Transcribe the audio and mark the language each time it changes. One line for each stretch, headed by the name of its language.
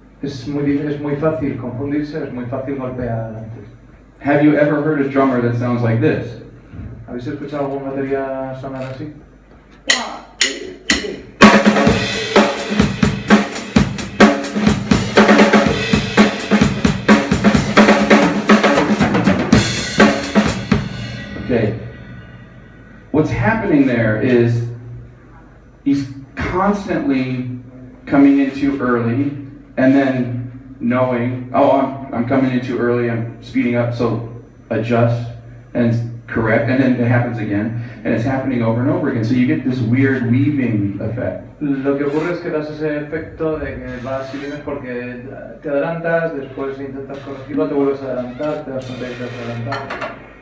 Spanish: Es muy fácil confundirse, es muy fácil golpear antes.
English: Have you ever heard a drummer that sounds like this?
Spanish: ¿Habéis escuchado alguna batería sonar así?
English: Okay. What's happening there is he's constantly coming in too early and then knowing, oh, I'm coming in too early, I'm speeding up, so adjust and correct, and then it happens again, and it's happening over and over again, so you get this weird weaving effect.
Spanish: Lo que ocurre es que das ese efecto de que vas y vienes porque te adelantas, después intentas corregirlo, te vuelves a adelantar, te das cuenta que te has adelantado.